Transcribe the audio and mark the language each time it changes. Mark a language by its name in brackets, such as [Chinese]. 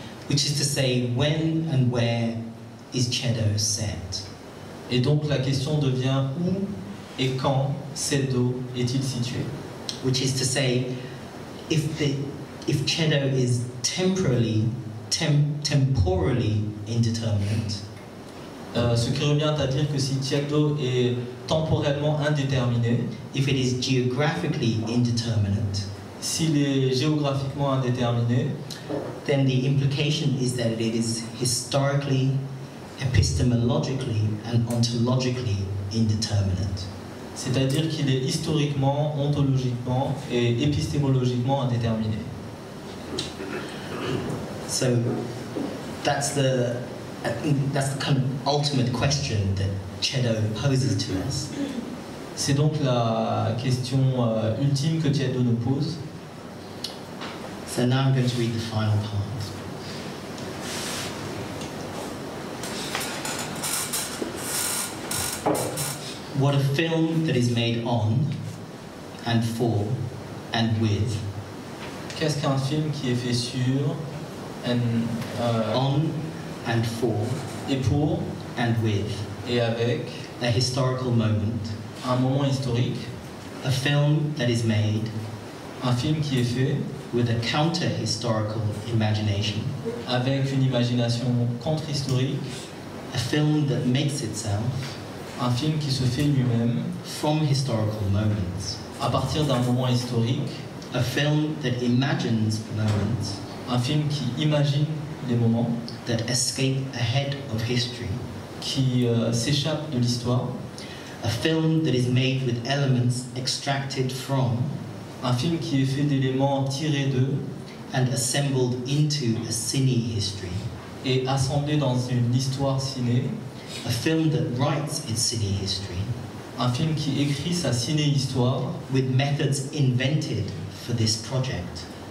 [English] Which is to say, when and where is Cheddar set? [French] Et donc la question devient où et quand Cheddo est-il situé? [English] Which is to say, if Cheddar is temporally indeterminate. [French] Ce qui revient à dire que si Cheddo est temporellement indéterminé, [English] if it is geographically indeterminate, [French] s'il est géographiquement indéterminé, [English] then the implication is that it is historically, epistemologically, and ontologically indeterminate. [French] C'est-à-dire qu'il est historiquement, ontologiquement et épistémologiquement indéterminé. [English] So that's the kind of ultimate question that Cheddar poses to us. [French] C'est donc la question ultime que Cheddo nous pose. [English] So now I'm going to read the final part. What a film that is made on, and for, and with. [French] Qu'est-ce qu'un film qui est fait sur, [English] and, on, and for, [French] et pour, [English] and with. [French] Et avec [English] a historical moment, [French] un moment historique, [English] a film that is made, [French] un film qui est fait, [English] with a counter-historical imagination, [French] avec une imagination contre-historique, [English] a film that makes itself, [French] un film qui se fait lui-même, [English] from historical moments, [French] à partir d'un moment historique, [English] a film that imagines moments, [French] un film qui imagine les moments, [English] that escape ahead of history, [French] qui s'échappe de l'histoire. [English] A film that is made with elements extracted from, [French] un film qui est fait d'éléments tirés de, [English] and assembled into a cine history, [French] et assemblé dans une histoire ciné. [English] A film that writes its cine history, [French] un film qui écrit sa ciné histoire, [English] with methods invented for this project,